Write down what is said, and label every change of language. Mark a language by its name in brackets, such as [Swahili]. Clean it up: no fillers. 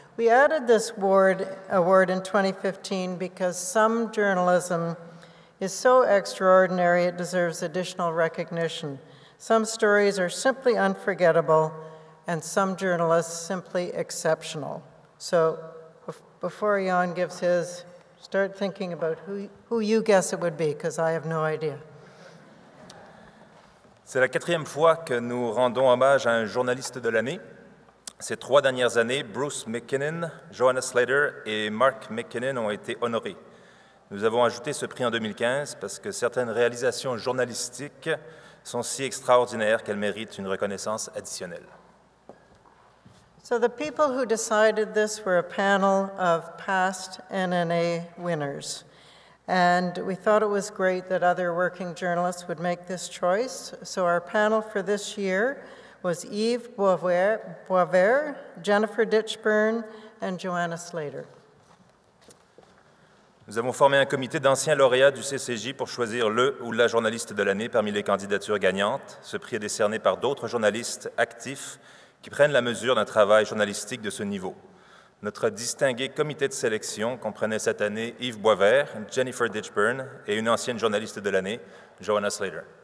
[English] We added this award in 2015 because some journalism is so extraordinary it deserves additional recognition. Some stories are simply unforgettable, and some journalists simply exceptional. So before Jan gives his, start thinking about who you guess it would be, because I have no idea. [French] C'est la quatrième fois que nous rendons hommage à un journaliste de l'année. Ces trois dernières années, Bruce McKinnon, Joanna Slater et Marc McKinnon ont été honorés. Nous avons ajouté ce prix en 2015 parce que certaines réalisations journalistiques sont si extraordinaires qu'elles méritent une reconnaissance additionnelle. [English] So the people who decided this were a panel of past NNA winners. And we thought it was great that other working journalists would make this choice. So our panel for this year was Yves Boisvert, Jennifer Ditchburn, and Joanna Slater. [French] Nous avons formé un comité d'anciens lauréats du CCJ pour choisir le ou la journaliste de l'année parmi les candidatures gagnantes. Ce prix est décerné par d'autres journalistes actifs qui prennent la mesure d'un travail journalistique de ce niveau. Notre distingué comité de sélection comprenait cette année Yves Boisvert, Jennifer Ditchburn et une ancienne journaliste de l'année, Joanna Slater.